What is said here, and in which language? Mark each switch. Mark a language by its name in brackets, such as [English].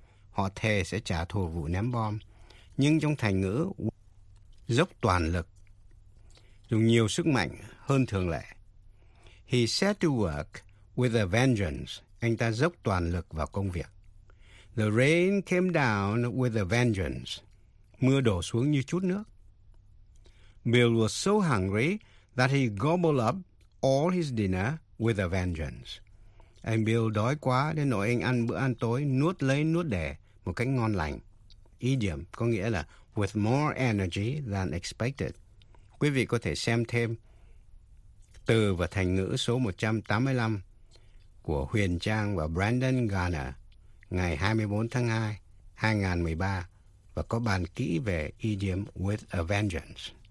[Vietnamese] Họ thề sẽ trả thù vụ ném bom. Nhưng trong thành ngữ, dốc toàn lực, dùng nhiều sức mạnh hơn thường lệ. [English] He set to work with a vengeance. [Vietnamese] Anh ta dốc toàn lực vào công việc. [English] The rain came down with a vengeance. [Vietnamese] Mưa đổ xuống như chút nước. [English] Bill was so hungry that he gobbled up all his dinner with a vengeance. [Vietnamese] Anh Bill đói quá đến nỗi anh ăn bữa ăn tối nuốt lấy nuốt đẻ một cách ngon lành. [English] Idiom [Vietnamese] có nghĩa là [English] with more energy than expected. [Vietnamese] Quý vị có thể xem thêm từ và thành ngữ số 185 của Huyền Trang và Brandon Garner ngày 24 tháng 2, 2013 và có bàn kỹ về idiom [English] with a vengeance.